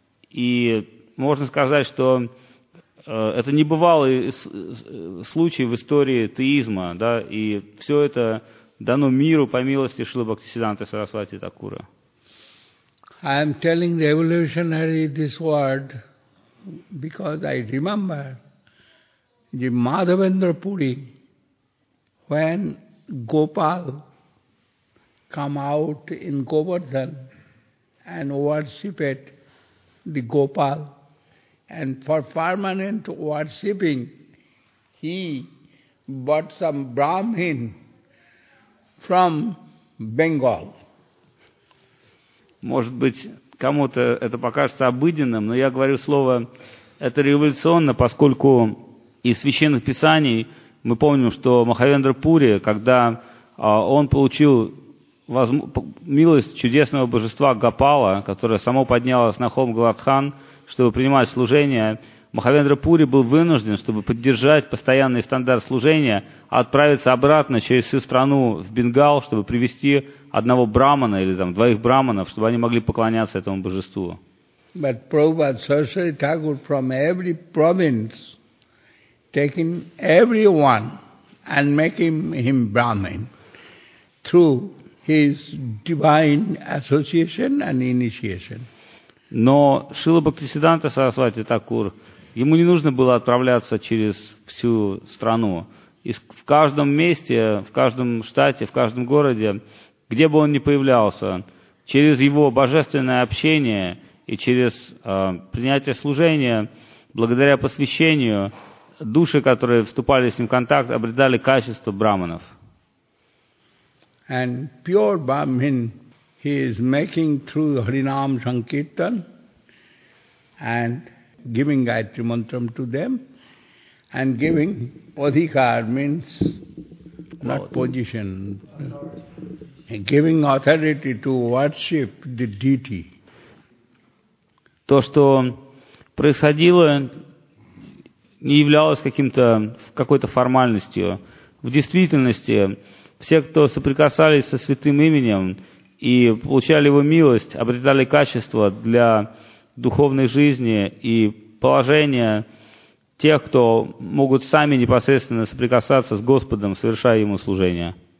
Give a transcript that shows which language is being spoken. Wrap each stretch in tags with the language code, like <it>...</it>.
<ru>И можно сказать, что это небывалый случай в истории теизма, да, и все это дано миру по милости Шрилы Бхактисиддханты Сарасвати Такура.</ru> <en>I am telling revolutionary this word because I remember the Madhavendra Puri when Gopal come out in Govardhan and worshipped the Gopal, and for permanent worshipping he bought some Brahmin from Bengal.</en> <ru>Может быть, кому-то это покажется обыденным, но я говорю слово «это революционно», поскольку из священных писаний мы помним, что Махавендра Пури, когда он получил милость чудесного божества Гопала, которое само поднялось на холм Говардхан, чтобы принимать служение, Махавендра Пури был вынужден, чтобы поддержать постоянный стандарт служения, отправиться обратно через всю страну в Бенгал, чтобы привести одного брахмана или там, двоих брахманов, чтобы они могли поклоняться этому божеству.</ru> <en>But Prabhupada Saraswati Thakur from every province taking everyone and making him Brahmin through his divine association and initiation.</en> <ru>Но Шрила Бхактисиддханта Сарасвати Такур, ему не нужно было отправляться через всю страну. И в каждом месте, в каждом штате, в каждом городе, где бы он ни появлялся, через его божественное общение и через принятие служения, благодаря посвящению, души, которые вступали с ним в контакт, обретали качество брахманов.</ru> <en>And pure Brahmin he is making through Harinam Sankirtan and giving Gayatri Mantram to them and giving Adhikar means not position, giving authority to worship the deity.</en> <ru>То, что происходило, не являлось какой-то формальностью. В действительности, все, кто соприкасались со святым именем и получали его милость, обретали качество для духовной жизни и положения тех, кто могут сами непосредственно соприкасаться с Господом, совершая ему служение.</ru>